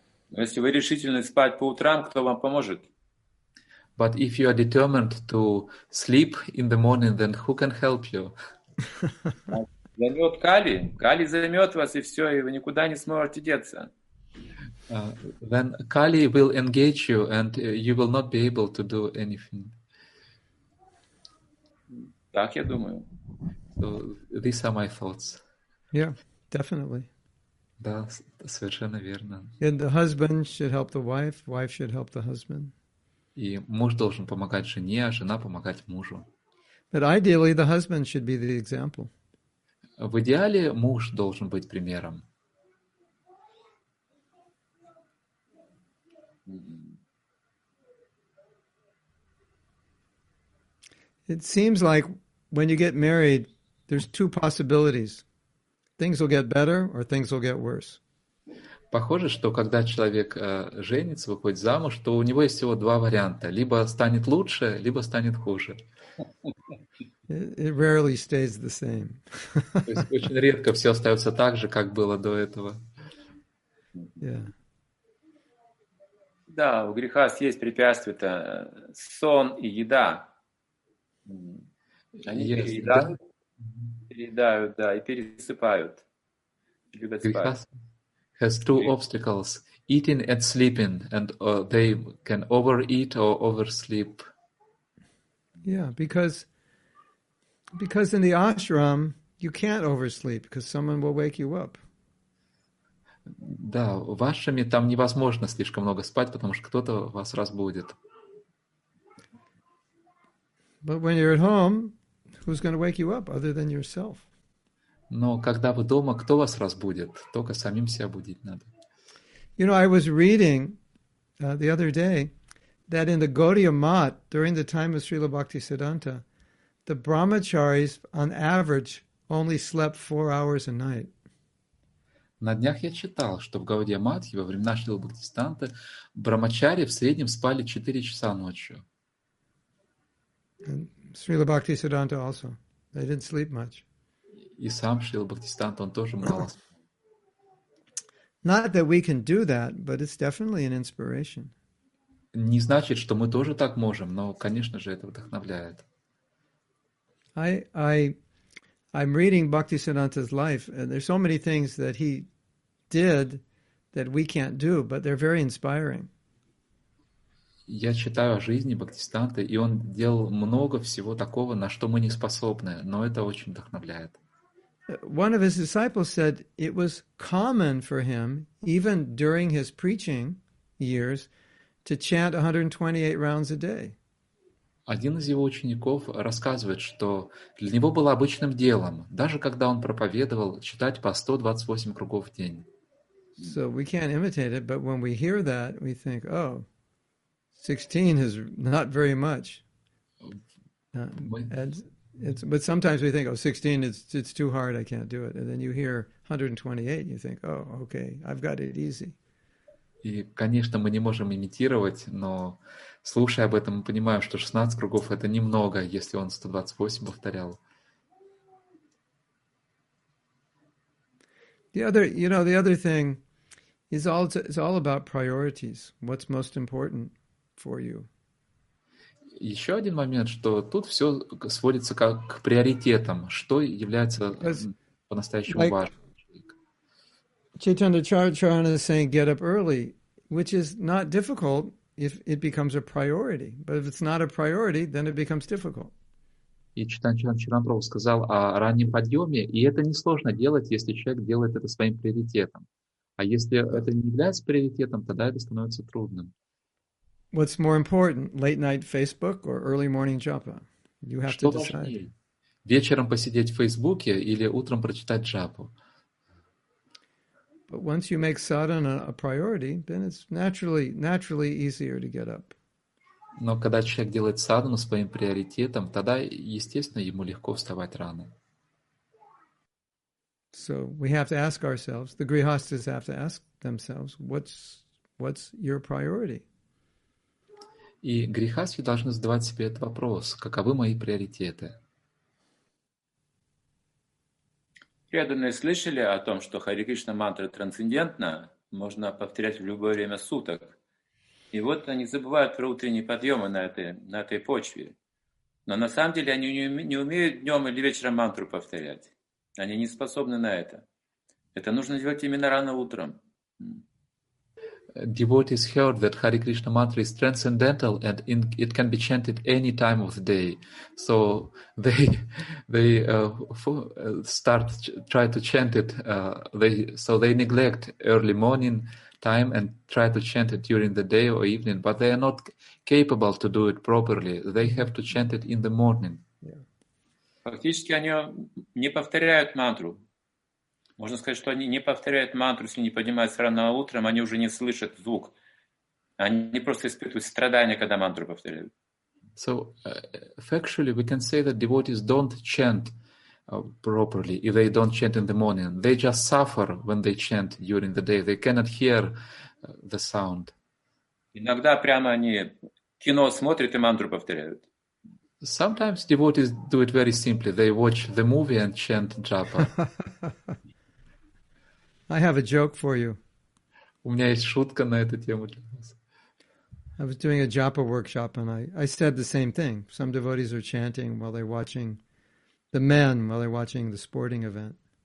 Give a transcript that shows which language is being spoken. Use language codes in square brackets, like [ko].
[ru] Если вы решительны спать по утрам, кто вам поможет? [en] But if you are determined to sleep in the morning, then who can help you? [ru] Займет Кали. Кали займет вас, и все, и вы никуда не сможете деться. [en] Then Kali will engage you, and you will not be able to do anything. Так я думаю. So, these are my thoughts. Yeah, definitely. [ru] Да, совершенно верно. [en] And the husband should help the wife, wife should help the husband. [ru] И муж должен помогать жене, а жена помогать мужу. [en] But ideally, the husband should be the example. [ru] В идеале муж должен быть примером. [en] It seems like when you get married, there's two possibilities. Things will get better or things will get worse. [ru] Похоже, что когда человек женится, выходит замуж, то у него есть всего два варианта. Либо станет лучше, либо станет хуже. [en] It rarely stays the same. [ru] То есть очень редко все остается так же, как было до этого. [en] Yeah. [ru] Да, у греха есть препятствия. Это сон и еда. Они переедают, да, и пересыпают. Любят спать. [en] Has two obstacles: eating and sleeping, and they can overeat or oversleep. Yeah, because in the ashram you can't oversleep because someone will wake you up. [ru] Да, в ашраме там невозможно слишком много спать, потому что кто-то вас разбудит. [en] But when you're at home, who's going to wake you up other than yourself? [ru] Но когда вы дома, кто вас разбудит? Только самим себя будить надо. [en] You know, I was reading the other day that in the Gaudiya Math, during the time of Srila Bhaktisiddhanta, the brahmacharis, on average, only slept 4 hours a night. [ru] На днях я читал, что в Гаудия Матхе, во времена Шрилы Бхактисиддханты, брахмачари в среднем спали 4 часа ночью. [en] And Srila Bhaktisiddhanta also. They didn't sleep much. [ru] И сам Шрила Бхактисиддханта, он тоже мало спал. [en] Not that we can do that, but it's definitely an inspiration. [ru] Не значит, что мы тоже так можем, но, конечно же, это вдохновляет. [en] I'm reading Bhaktisiddhanta's life, and there's so many things that he did that we can't do, but they're very inspiring. [ru] Я читаю о жизни Бхактисиддханты, и он делал много всего такого, на что мы не способны, но это очень вдохновляет. [en] One of his disciples said it was common for him, even during his preaching years, to chant 128 rounds a day. [ru] Один из его учеников рассказывает, что для него было обычным делом, даже когда он проповедовал, читать по 128 кругов в день. [en] So we can't imitate it, but when we hear that, we think, oh, 16 is not very much. But sometimes we think, oh, 16, it's too hard, I can't do it. And then you hear 128, you think, oh, okay, I've got it easy. [ru] И, конечно, мы не можем имитировать, но слушая об этом, мы понимаем, что 16 кругов — это немного, если он 128 повторял. [en] The other thing is all about priorities. What's most important for you? [ru] Еще один момент, что тут все сводится как к приоритетам, что является по-настоящему важным. [en] Chaitanya Charitamrita is saying get up early, which is not difficult if it becomes a priority. But if it's not a priority, then it becomes difficult. [ru] И Chaitanya Charitamrita сказал о раннем подъеме, и это несложно делать, если человек делает это своим приоритетом. А если это не является приоритетом, тогда это становится трудным. [en] What's more important, late night Facebook or early morning japa? You have [ru] что [en] to decide. [ru] Важнее, вечером посидеть в Фейсбуке или утром прочитать джапу? [en] But once you make sadhana a priority, then it's naturally easier to get up. [ru] Но когда человек делает садхану своим приоритетом, тогда, естественно, ему легко вставать рано. [en] So we have to ask ourselves, the grihasthas have to ask themselves, what's your priority? [ru] И грихасхи должны задавать себе этот вопрос, каковы мои приоритеты? Преданные слышали о том, что Хари Кришна мантра трансцендентна, можно повторять в любое время суток. И вот они забывают про утренние подъемы на этой почве. Но на самом деле они не умеют днем или вечером мантру повторять. Они не способны на это. Это нужно делать именно рано утром. [en] Devotees heard that Hare Krishna mantra is transcendental and it can be chanted any time of the day. So they neglect early morning time and try to chant it during the day or evening, but they are not capable to do it properly. They have to chant it in the morning. [ru] Фактически они не повторяют мантру. Можно сказать, что они не повторяют мантру, если не поднимаются рано утром, они уже не слышат звук. Они просто испытывают страдания, когда мантру повторяют. [en] So, factually, we can say that devotees don't chant properly if they don't chant in the morning. They just suffer when they chant during the day. They cannot hear the sound. [ru] Иногда прямо они кино смотрят и мантру повторяют. [en] Sometimes devotees do it very simply. They watch the movie and chant japa. I have a joke for you. [ru] У меня есть шутка на эту тему для вас. [en] I was doing a japa workshop and I said the same thing. Some devotees are chanting while they're watching the men, while they're watching the sporting event.